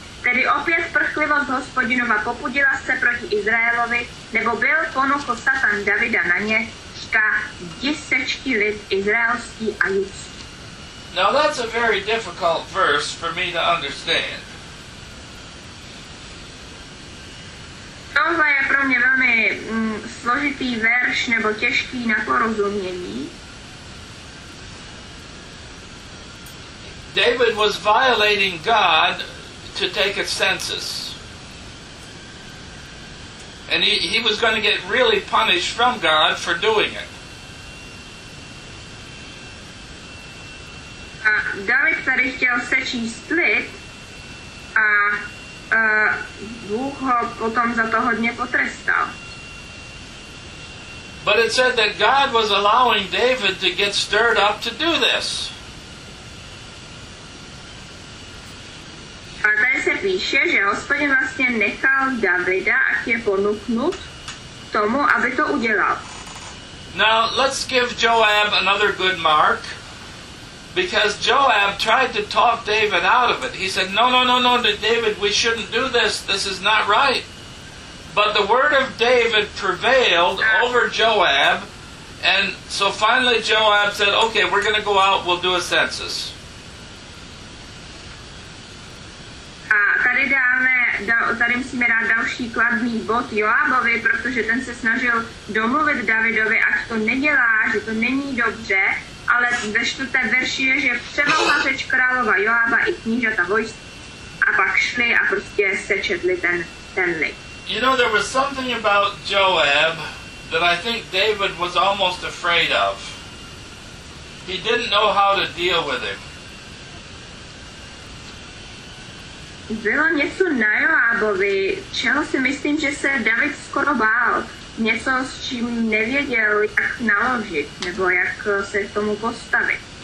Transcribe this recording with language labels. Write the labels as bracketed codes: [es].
[cs] "Tedy opět prchlivost Hospodinova popudila se proti Izraelovi, nebo byl ponuchl Satan Davida na ně, desečky lid izraelský a judský." [en] Now that's a very difficult verse for me to understand. [cs] Tohle je pro mě velmi složitý verš nebo těžký na porozumění. [en] David was violating God to take a census. And he was going to get really punished from God for doing it. [cs] David tady chtěl sečíst lid a Bůh ho potom za to hodně potrestal. [en] But it said that God was allowing David to get stirred up to do this. [cs] A tady se píše, že Hospodin vlastně nechal Davida, ať je ponuknut tomu, aby to udělal. [en] Now, let's give Joab another good mark. Because Joab tried to talk David out of it. He said, no, David, we shouldn't do this. This is not right. But the word of David prevailed over Joab. And so finally Joab said, okay, we're going to go out. We'll do a census. [cs] A tady tady musíme dát další kladný bod Joabovi, protože ten se snažil domluvit Davidovi, ať to nedělá, že to není dobře, ale ve čtvrté verši je, že převohla řeč králova Joaba i knížata vojst a pak šli a prostě sečetli ten lid. [en] You know, there was something about Joab that I think David was almost afraid of. He didn't know how to deal with him. [cs] Bylo něco na Joábovi, čeho si myslím, že se David skoro bál. Něco, s čím nevěděl, jak naložit, nebo jak se k tomu postavit.